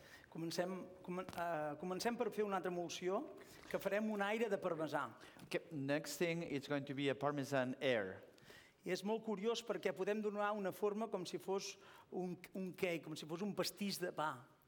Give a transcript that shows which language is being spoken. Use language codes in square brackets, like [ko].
[ca] Comencem per fer una altra emulsió, que farem un aire de parmesà. [en] Okay. Next thing, it's going to be a parmesan air. [ca] I és molt curiós perquè podem donar una forma com si fos un cake, com si fos un pastís de pa.